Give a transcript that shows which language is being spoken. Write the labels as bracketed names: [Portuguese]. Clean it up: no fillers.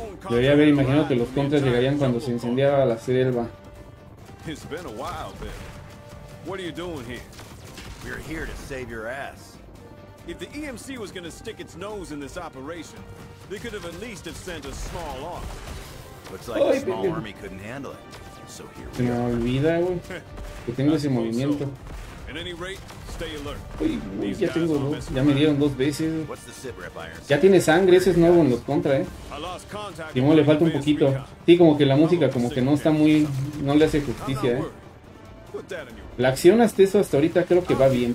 [Spanish] Debería haber imaginado que los contras llegarían cuando se incendiaba la selva. [English] It's been a while, Ben. What are you doing here? We're here to save your ass. If the EMC was going to stick its nose in this operation, they could have at least have sent a small army. Looks like the small army couldn't handle it. So here we are. Se me olvida, güey. [Spanish] Que tengo ese movimiento. At any rate, stay alert. Uy, ya tengo dos. Ya me dieron dos veces. Ya tiene sangre, ese es nuevo en los contra, Y bueno, le falta un poquito. Sí, como que la música como que no está muy... No le hace justicia, La acción hasta eso hasta ahorita creo que va bien.